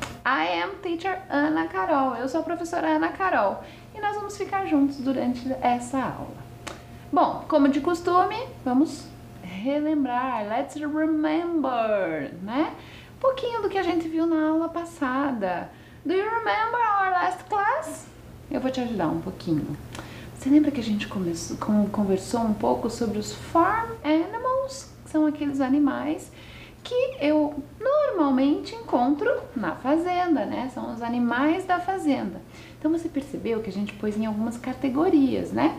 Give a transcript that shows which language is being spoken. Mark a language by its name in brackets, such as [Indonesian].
[English] I am teacher Ana Carol. [Portuguese] Eu sou a professora Ana Carol e nós vamos ficar juntos durante essa aula. Bom, como de costume, vamos relembrar, [English] let's remember, [Portuguese] né? Um pouquinho do que a gente viu na aula passada. [English] Do you remember our last class? [Portuguese] Eu vou te ajudar um pouquinho. Você lembra que a gente conversou um pouco sobre os farm animals, que são aqueles animais que eu normalmente encontro na fazenda, né? São os animais da fazenda. Então você percebeu que a gente pôs em algumas categorias, né?